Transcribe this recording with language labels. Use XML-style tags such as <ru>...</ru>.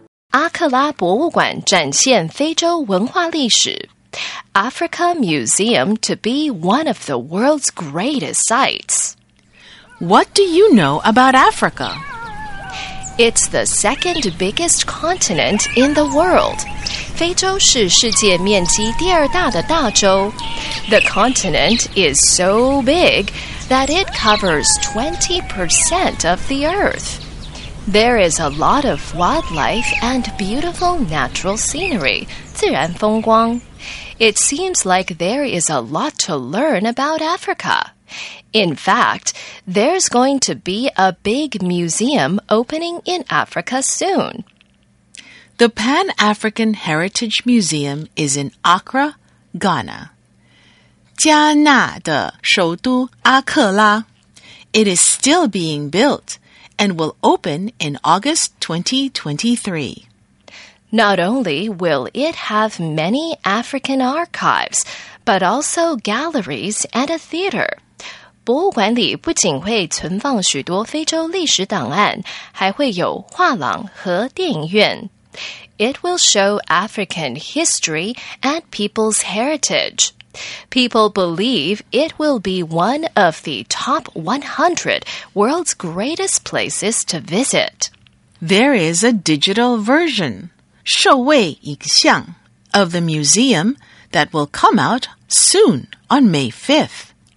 <zh>阿克拉博物馆展现非洲文化历史。</zh> <en>Africa Museum to be one of the world's greatest sites. What do you know about Africa? It's the second biggest continent in the world.</en> <zh>非洲是世界面积第二大的大洲。</zh> <en>The continent is so big that it covers 20% of the earth. There is a lot of wildlife and beautiful natural scenery,</en> <zh>自然风光。</zh> <en>It seems like there is a lot to learn about Africa. In fact, there's going to be a big museum opening in Africa soon. The Pan-African Heritage Museum is in Accra, Ghana.</en> <zh>加纳的首都阿克拉。</zh> <en>It is still being built and will open in August 2023. Not only will it have many African archives, but also galleries and a theater.</en> <zh>博物馆里不仅会存放许多非洲历史档案，还会有画廊和电影院。</zh> <en>It will show African history and people's heritage. People believe it will be one of the top 100 world's greatest places to visit. There is a digital version,</en> <zh>首位影像,</zh> <en>of the museum that will come out soon on May 5th.</en>